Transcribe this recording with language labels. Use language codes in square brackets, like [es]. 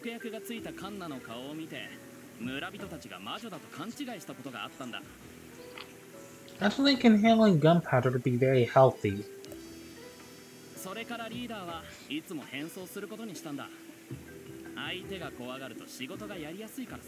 [ja] がついたカンナの顔を見て村人たちが魔女だと勘違いしたことがあったんだ。 [en] I think inhaling gunpowder would be very healthy. [ja] それからリーダーはいつも変装することにしたんだ。相手が怖がると仕事がやりやすいからさ。